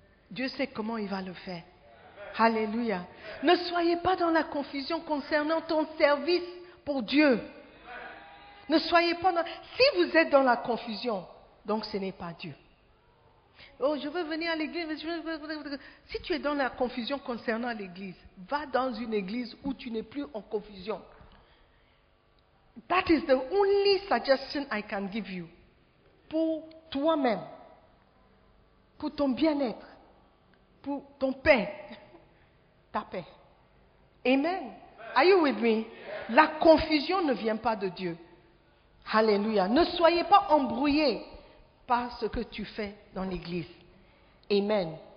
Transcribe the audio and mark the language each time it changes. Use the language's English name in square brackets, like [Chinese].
[French] Dieu sait comment il va le faire. Alléluia. Ne soyez pas dans la confusion concernant ton service pour Dieu. Ne soyez pas dans... Si vous êtes dans la confusion, donc ce n'est pas Dieu. Oh, je veux venir à l'église. Si tu es dans la confusion concernant l'église, va dans une église où tu n'es plus en confusion. [English] That is the only suggestion I can give you. [French] Pour toi-même, pour ton bien-être, pour ton paix, ta paix. Amen. [English] Are you with me? [French] La confusion ne vient pas de Dieu. Alléluia. Ne soyez pas embrouillés par ce que tu fais dans l'église. Amen.